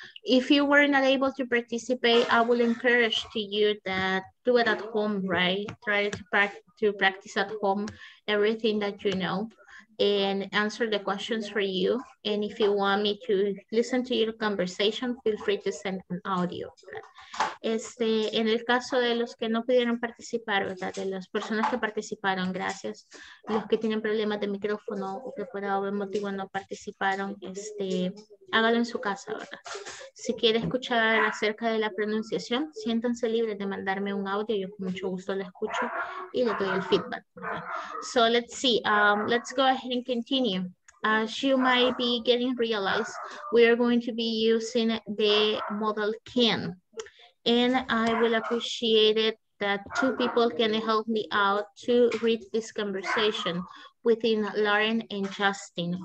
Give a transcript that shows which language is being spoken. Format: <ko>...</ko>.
<en>If you were not able to participate, I will encourage to you that do it at home, right? Try to practice at home everything that you know and answer the questions for you. And if you want me to listen to your conversation, feel free to send an audio.</en> <es>En el caso de los que no pudieron participar, ¿verdad? De las personas que participaron, gracias. Los que tienen problemas de micrófono o que por algún motivo no participaron, hágalo en su casa, ¿verdad? Si quiere escuchar acerca de la pronunciación, siéntanse libres de mandarme un audio. Yo con mucho gusto lo escucho y le doy el feedback.</es> <en>So let's see. Let's go ahead and continue. As you might be getting realized, we are going to be using the model can. And I will appreciate it that two people can help me out to read this conversation within Lauren and Justin.</en>